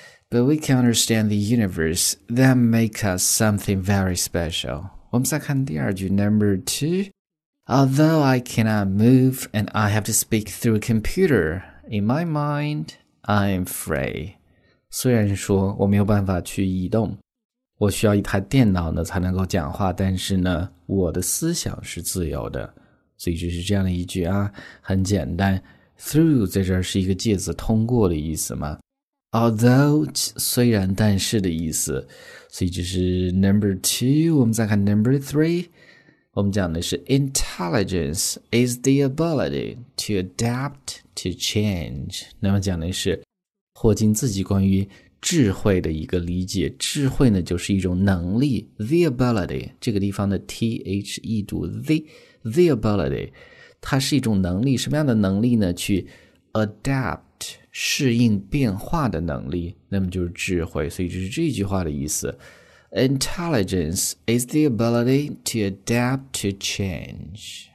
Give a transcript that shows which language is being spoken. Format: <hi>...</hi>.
<en>But we can understand the universe that makes us something very special.</en> <zh>我们再看第二句</zh> <en>,Number two. Although I cannot move and I have to speak through a computer, in my mind, I'm free.</en> <zh>虽然说我没有办法去移动，我需要一台电脑呢才能够讲话，但是呢，我的思想是自由的。所以就是这样的一句啊，很简单。 Through 在这儿是一个介词，通过的意思嘛。Although 虽然但是的意思。所以就是</zh> <en>number two。</en> <zh>我们再看</zh> <en>number three。</en> <zh>我们讲的是</zh> <en>intelligence is the ability to adapt to change。</en> <zh>那么讲的是霍金自己关于智慧的一个理解。智慧呢，就是一种能力。</zh> <en>The ability</en> <zh>这个地方的 th 一读 the。</zh> <en>The ability,</en> <zh>它是一种能力，什么样的能力呢？去 adapt, 适应变化的能力，那么就是智慧，所以这是这句话的意思。</zh> <en>Intelligence is the ability to adapt to change.</en>